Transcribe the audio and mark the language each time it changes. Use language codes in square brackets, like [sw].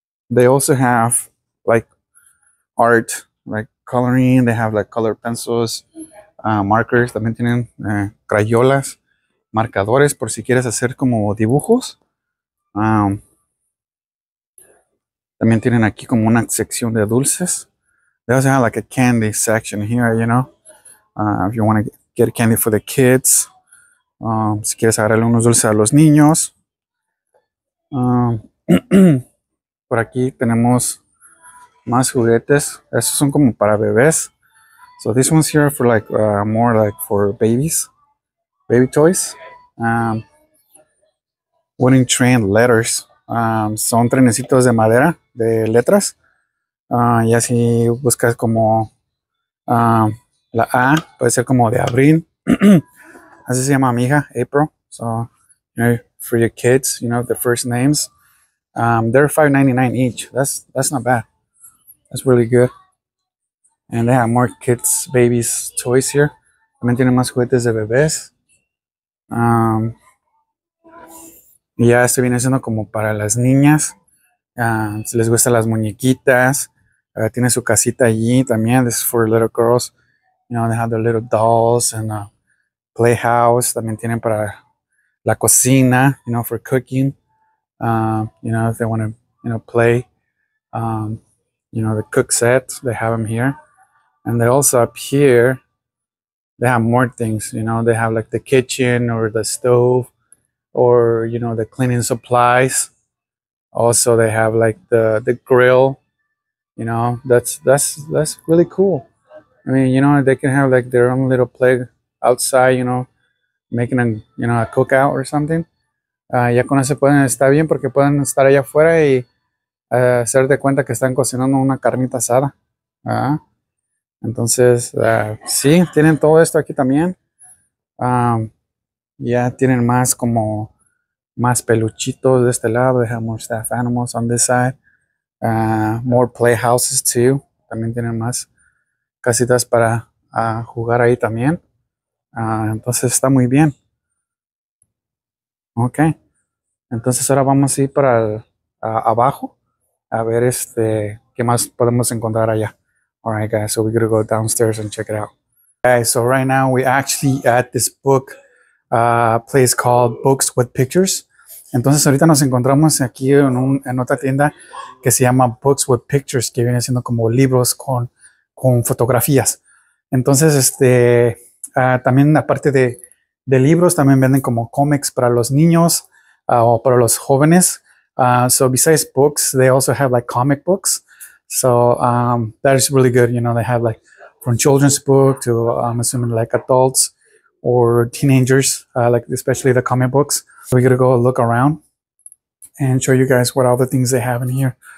[en] They also have like art, like coloring. They have like color pencils, markers. [es] También tienen crayolas, marcadores por si quieres hacer como dibujos. También tienen aquí como una sección de dulces. [en] They also have like a candy section here, you know, if you want to get candy for the kids. [es] Si quieres agarrarle unos dulces a los niños. Por aquí tenemos más juguetes. Estos son como para bebés. [en] So this one's here for like more like for babies, baby toys. Wooden train letters. [es] Son trenecitos de madera de letras. Y así buscas como la A, puede ser como de abril. Así se llama mi hija, April. [en] So, you know, for your kids, you know, the first names. They're $5.99 each. That's not bad. That's really good. And they have more kids, babies, toys here. [es] También tienen más juguetes de bebés. Y ya esto viene siendo como para las niñas. Si les gustan las muñequitas. Tiene su casita allí también. [en] This is for little girls. You know, they have their little dolls and a playhouse. [es] También tienen para la cocina, [en] you know, for cooking. You know, if they want to, you know, play, you know, the cook set, they have them here. And they also up here, they have more things, you know, they have like the kitchen or the stove or, you know, the cleaning supplies. Also, they have like the grill, you know, that's really cool. I mean, you know, they can have like their own little play outside, you know, making a cookout or something. [es] Ya con eso pueden estar bien porque pueden estar allá afuera y hacer de cuenta que están cocinando una carnita asada. Entonces, sí, tienen todo esto aquí también. Ya tienen más como más peluchitos de este lado. [en] They have more staff animals on this side. More playhouses too. [es] También tienen más casitas para jugar ahí también. Entonces, está muy bien. Ok. Entonces ahora vamos a ir para abajo a ver qué más podemos encontrar allá. [en] All right, guys, so we're gonna go downstairs and check it out. Okay, so right now we're actually at this book place called Books with Pictures. [es] Entonces ahorita nos encontramos aquí en otra tienda que se llama Books with Pictures, que viene siendo como libros con fotografías. Entonces también aparte de libros también venden como cómics para los niños. Para los jóvenes. [en] So besides books, they also have like comic books. So that is really good. You know, they have like from children's book to I'm assuming like adults or teenagers, like especially the comic books. So we're gonna go look around and show you guys what all the things they have in here.